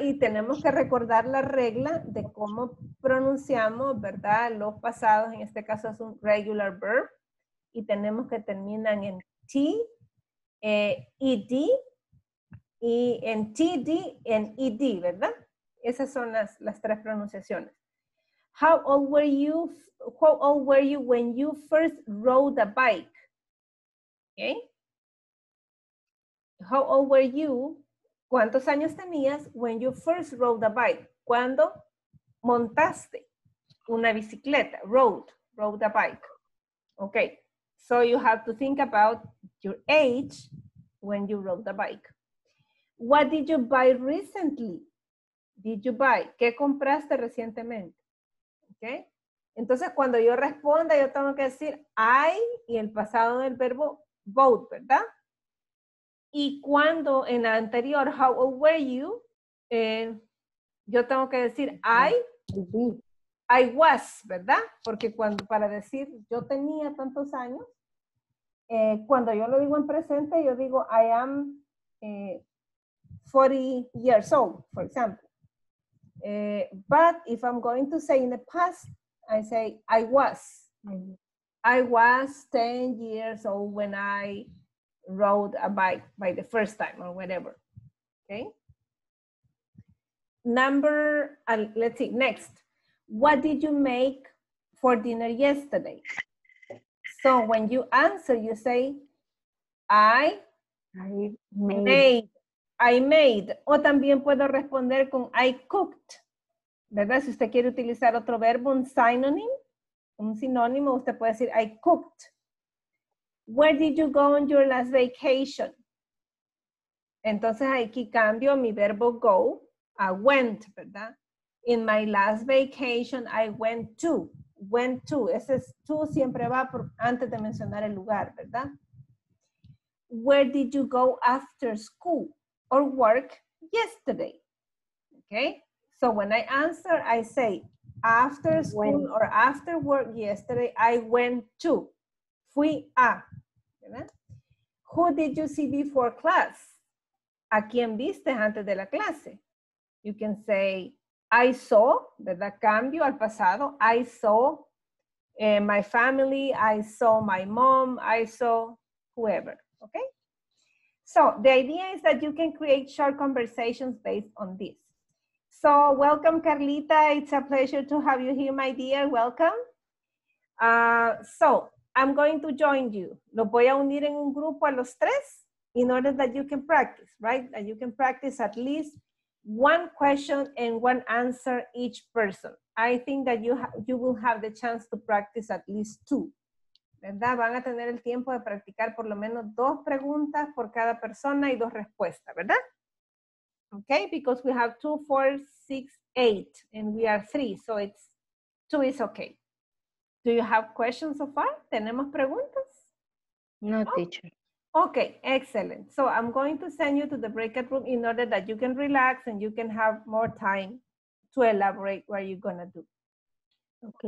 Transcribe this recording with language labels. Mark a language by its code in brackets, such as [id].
[es] Y tenemos que recordar la regla de cómo pronunciamos, ¿verdad? Los pasados, en este caso es un [en] regular verb, [es] y tenemos que terminan en T, ED, y en TD, en ED, ¿verdad? Esas son las tres pronunciaciones. [en] How old were you when you first rode a bike? Okay. How old were you? [es] ¿Cuántos años tenías [en] when you first rode a bike? [es] ¿Cuándo montaste una bicicleta? [en] Rode a bike. Okay. So you have to think about your age when you rode a bike. What did you buy recently? Did you buy? [es] ¿Qué compraste recientemente? Okay. Entonces, cuando yo responda, yo tengo que decir I y el pasado del verbo bought, ¿verdad? Y cuando en la anterior, [en] how old were you, [es] yo tengo que decir [en] I was, [es] ¿verdad? Porque cuando para decir yo tenía tantos años, cuando yo lo digo en presente, yo digo [en] I am 40 years old, for example. But if I'm going to say in the past, I say, I was. Mm-hmm. I was 10 years old when I rode a bike by the first time or whatever. Okay. Number, let's see, next. What did you make for dinner yesterday? So when you answer, you say, I made. [es] O también puedo responder con I cooked. ¿Verdad? Si usted quiere utilizar otro verbo, un sinónimo, usted puede decir I cooked. [en] Where did you go on your last vacation? [es] Entonces aquí cambio mi verbo go a went, ¿verdad? [en] In my last vacation, I went to. Went to. [es] Ese es to siempre va por, antes de mencionar el lugar, ¿verdad? [en] Where did you go after school or work yesterday? Okay. So when I answer, I say after school when. Or after work yesterday, I went to. [es] Fui a. ¿Verdad? [en] Who did you see before class? [es] ¿A quién viste antes de la clase? [en] You can say, I saw, [es] ¿verdad? Cambio al pasado. [en] I saw my family, I saw my mom, I saw whoever, okay? So the idea is that you can create short conversations based on this. So welcome, Carlita. It's a pleasure to have you here, my dear. Welcome. So I'm going to join you. [es] Lo voy a unir en un grupo a los tres [en] in order that you can practice, right? That you can practice at least one question and one answer each person. I think that you will have the chance to practice at least two. [es] ¿Verdad? Van a tener el tiempo de practicar por lo menos dos preguntas por cada persona y dos respuestas, ¿verdad? [en] Okay, because we have 2, 4, 6, 8, and we are 3, so it's 2 is okay. Do you have questions so far? [es] ¿Tenemos preguntas? [en] No, teacher. Okay, excellent. So I'm going to send you to the breakout room in order that you can relax and you can have more time to elaborate what you're going to do. Okay.